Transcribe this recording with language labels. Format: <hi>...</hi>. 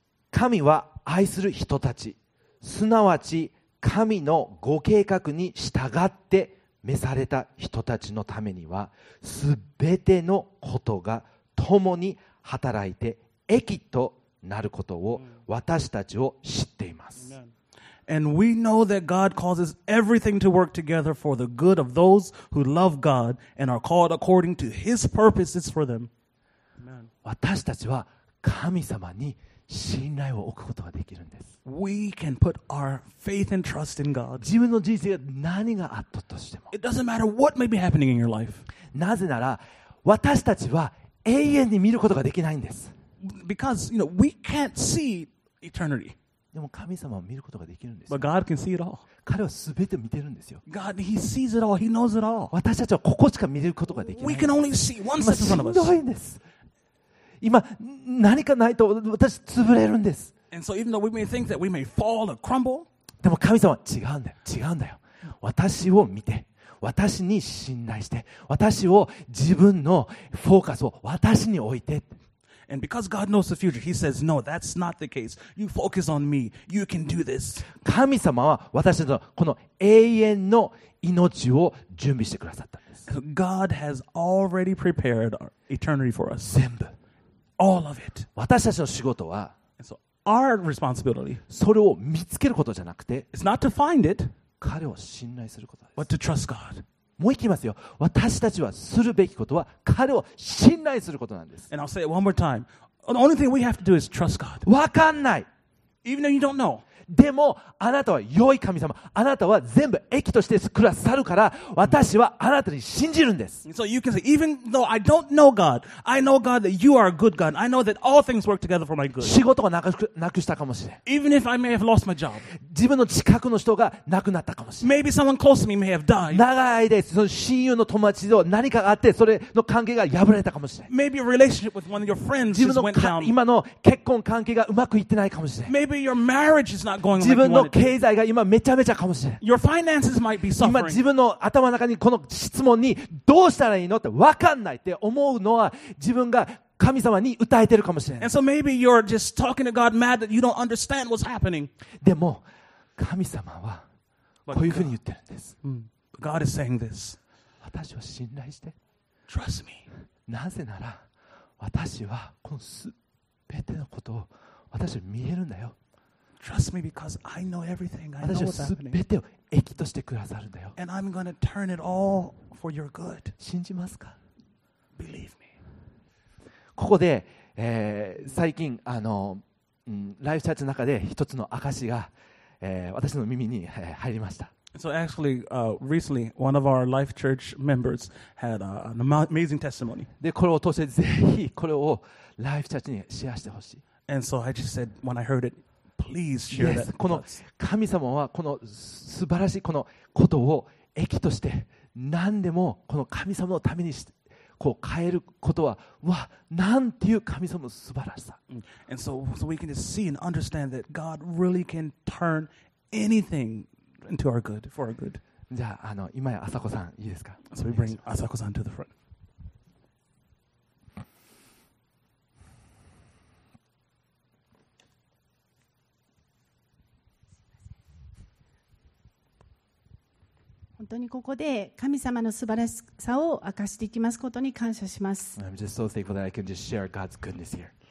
<ja>神は愛する人たち、すなわち神のご計画に従って召された人たちのためにはすべてのことが共に働いて益となることを私たちを知っています。</ja> <en>And we know that God causes everything to work together for the good of those who love God and are called according to His purposes for them.</en> <ja>私たちは神様に信頼を置くことができるんです。</ja> <en>We can put our faith and trust in God.</en> <ja>自分の人生が何があったとしても。</ja> <en>It doesn't matter what may be happening in your life.</en> <ja>なぜなら、私たちは永遠に見ることができないんです。</ja> <en>Because, you know, we can't see eternity.</en> <ja>でも神様は見ることができるんです。</ja> <en>But God can see it all.</en> <ja>彼はすべて見てるんですよ。</ja> <en>God, He sees it all. He knows it all.</en> <ja>私たちはここしか見ることができない。</ja> <en>We can only see one side of us.</en> <ja>今しんどいんです。今何かないと私潰れるんです。</ja> <en>And so even though we may think that we may fall or crumble,</en> <ja>でも神様は違うんだよ。違うんだよ。私を見て、私に信頼して、私を自分のフォーカスを私に置いて。</ja> <en>And because God knows the future, He says, "No, that's not the case. You focus on Me. You can do this."</en> <ja>神様は私のこの永遠の命を準備してくださったんです。</ja> <en>God has already prepared eternity for us.</en> <ja>全部。</ja> <en>All of it.</en> <ja>私たちの仕事は、</ja> <en>so、our responsibility,</en> <ja>それを見つけることじゃなくて、</ja> <en>it's not to find it,</en> <ja>彼を信頼することです。</ja> <en>But to trust God.</en> <ja>もう行きますよ。私たちはするべきことは彼を信頼することなんです。</ja> <en>And I'll say it one more time. The only thing we have to do is trust God.</en> <ja>わかんない。</ja> <en>Even though you don't know.</en> <ja>でもあなたは良い神様、あなたは全部益として暮らさるから、私はあなたに信じるんです。</ja> <en>So you can say, even though I don't know God, I know God that you are a good God. I know that all things work together for my good.</en> <ja>仕事がなくしたかもしれない。</ja> <en>Even if I may have lost my job.</en> <ja>自分の近くの人が亡くなったかもしれない。</ja> <en>Maybe someone close to me may have died.</en> <ja>長い間その親友の友達と何かがあってそれの関係が破れたかもしれない。</ja> <en>Maybe a relationship with one of your friends just went down.</en> <ja>自分の今の結婚関係がうまくいってないかもしれない。</ja> <en>Maybe your marriage is not going like、</en> <ja>自分の経済が今めちゃめちゃかもしれない。</ja> <en>Your finances might be suffering.</en> <ja>今自分の頭の中にこの質問にどうしたらいいのって分かんないって思うのは自分が神様に訴えてるかもしれない。</ja> <en>And so maybe you're just talking to God mad that you don't understand what's happening.</en> <ja>でも神様はこういうふうに言ってるんです。</ja> <en>God is saying this.</en> <ja>私を信頼して。</ja> <en>Trust me.</en> <ja>なぜなら私はこのすべてのことを私は見えるんだよ。</ja> <en>Trust me because I know everything. I know what's happening.</en> <ja>私はすべてを益としてくださるんだよ。</ja> <en>And I'm gonna turn it all for your good.</en> <ja>信じますか?</ja> <en>Believe me.</en> <ja>ここで、最近ライフチャーチの中で一つの証が、私の耳に、入りました。</ja> <en>So actually, recently, one of our life church members had an amazing testimony.</en> <ja>で、これを通してぜひこれをライフチャーチにシェアしてほしい。</ja> <en>And so I just said when I heard it, please share that.</en> <ja>Yes, この神様はこの素晴らしいこのことを益として何でもこの神様のためにこう変えることは、わ、なんていう神様の素晴らしさ。</ja> <en>And so we can just see and understand that God really can turn anything into our good, for our good.</en> <ja>じゃあ、今や朝子さんいいですか?</ja> <en>So we bring 朝子さん to the front.</en> <ja>本当にここで神様の素晴らしさを明かしていきますことに感謝します。</ja> <en>I'm just so thankful that I can just share God's goodness here.</en>